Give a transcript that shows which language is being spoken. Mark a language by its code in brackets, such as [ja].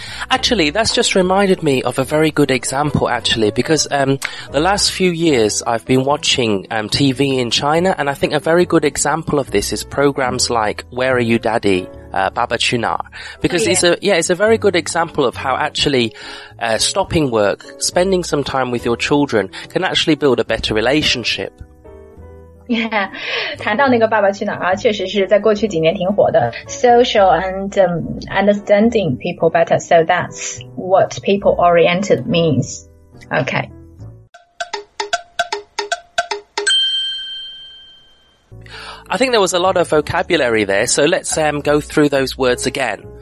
[en] Actually, that's just reminded me of a very good example, actually, because the last few years I've been watching TV in China, and I think a very good example of this is programs like Where Are You Daddy? Baba Chunar, because it's a very good example of how actually stopping work, spending some time with your children can actually build a better relationship. [zh] Yeah, 谈到那个爸爸去哪儿啊，确实是在过去几年挺火的。 [en] Social and understanding people better, so that's what people oriented means. Okay. I think there was a lot of vocabulary there, so let's go through those words again.